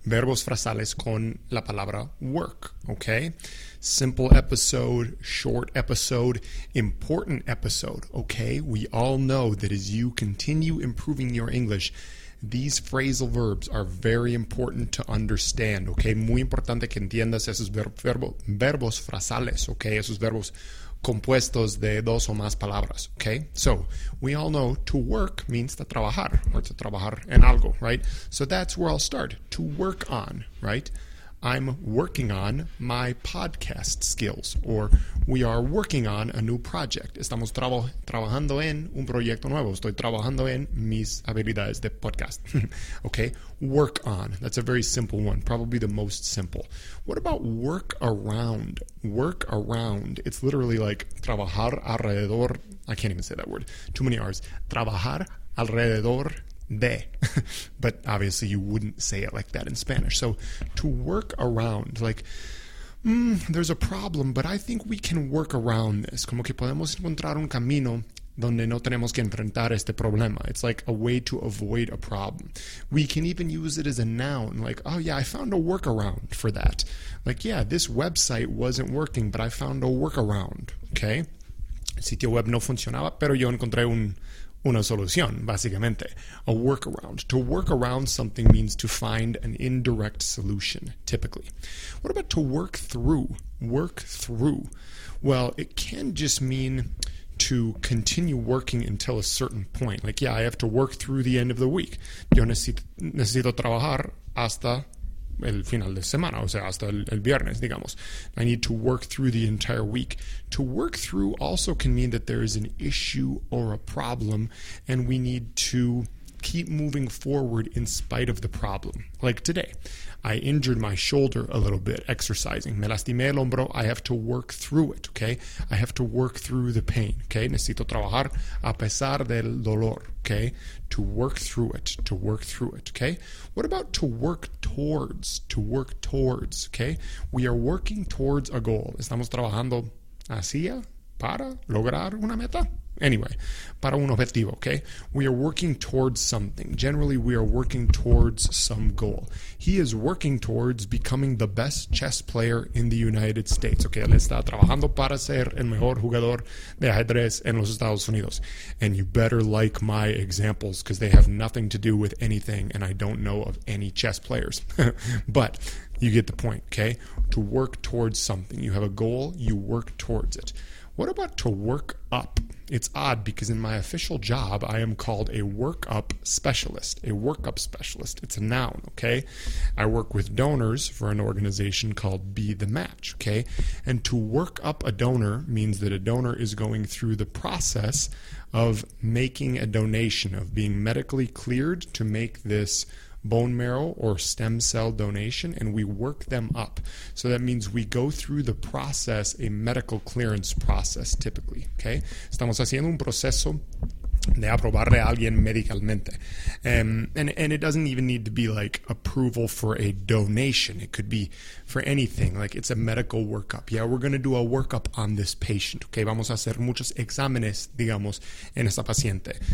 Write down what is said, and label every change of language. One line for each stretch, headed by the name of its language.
Spanish: Verbos frasales con la palabra work, okay?
English: Simple episode, short episode, important episode, okay? We all know that as you continue improving your English, these phrasal verbs are very important to understand, okay?
Spanish: Muy importante que entiendas esos verbos frasales, okay? Esos verbos compuestos de dos o más palabras, okay?
English: So, we all know to work means to trabajar, or to trabajar en algo, right? So that's where I'll start, to work on, right? I'm working on my podcast skills, or we are working on a new project.
Spanish: Estamos trabajando en un proyecto nuevo. Estoy trabajando en mis habilidades de podcast.
English: Okay, work on. That's a very simple one, probably the most simple. What about work around? Work around. It's literally like trabajar alrededor. I can't even say that word. Too many R's.
Spanish: Trabajar alrededor de.
English: But obviously you wouldn't say it like that in Spanish. So to work around, like, there's a problem, but I think we can work around this.
Spanish: Como que podemos encontrar un camino donde no tenemos que enfrentar este problema.
English: It's like a way to avoid a problem. We can even use it as a noun, like, oh yeah, I found a workaround for that. Like, yeah, this website wasn't working, but I found a workaround, okay?
Spanish: El sitio web no funcionaba, pero yo encontré una solución, básicamente.
English: A workaround. To work around something means to find an indirect solution, typically. What about to work through? Work through. Well, it can just mean to continue working until a certain point. Like, yeah, I have to work through the end of the week.
Spanish: Yo necesito trabajar hasta el final de semana, o sea, hasta el viernes, digamos.
English: I need to work through the entire week. To work through also can mean that there is an issue or a problem, and we need to keep moving forward in spite of the problem. Like today, I injured my shoulder a little bit exercising.
Spanish: Me lastimé el hombro.
English: I have to work through it, okay? I have to work through the pain, okay?
Spanish: Necesito trabajar a pesar del dolor, okay?
English: To work through it, to work through it, okay? What about to work towards? To work towards, okay? We are working towards a goal.
Spanish: Estamos trabajando hacia, para lograr una meta.
English: Anyway,
Spanish: para un objetivo,
English: okay? We are working towards something. Generally, we are working towards some goal. He is working towards becoming the best chess player in the United States.
Spanish: Okay, él está trabajando para ser el mejor jugador de ajedrez en los Estados Unidos.
English: And you better like my examples because they have nothing to do with anything and I don't know of any chess players. But you get the point, okay? To work towards something. You have a goal, you work towards it. What about to work up? It's odd because in my official job, I am called a workup specialist. A workup specialist. It's a noun, okay? I work with donors for an organization called Be the Match, okay? And to work up a donor means that a donor is going through the process of making a donation, of being medically cleared to make this bone marrow or stem cell donation, and we work them up. So that means we go through the process, a medical clearance process, typically, okay?
Spanish: Estamos haciendo un proceso de aprobarle a alguien medicalmente.
English: And it doesn't even need to be like approval for a donation. It could be for anything. Like it's a medical workup. Yeah, we're going to do a workup on this patient.
Spanish: Okay, vamos a hacer muchos exámenes, digamos, en esa paciente.